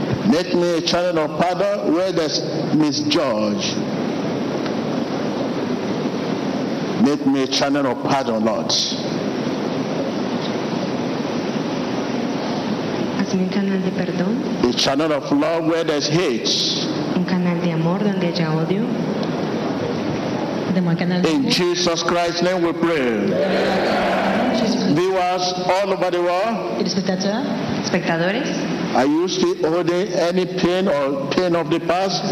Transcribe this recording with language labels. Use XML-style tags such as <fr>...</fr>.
<en>Make me a channel of pardon where there's misjudge. Make me a channel of pardon, Lord.</en> <es>Un canal de perdón.</es> <en>A channel of love where there's hate.</en> <es>Un canal de amor donde haya odio.</es> <en>In Jesus Christ's name we pray. Viewers all over the world.</en> <es>Spectadores.</es> <en>Are you still holding any pain or pain of the past?</en>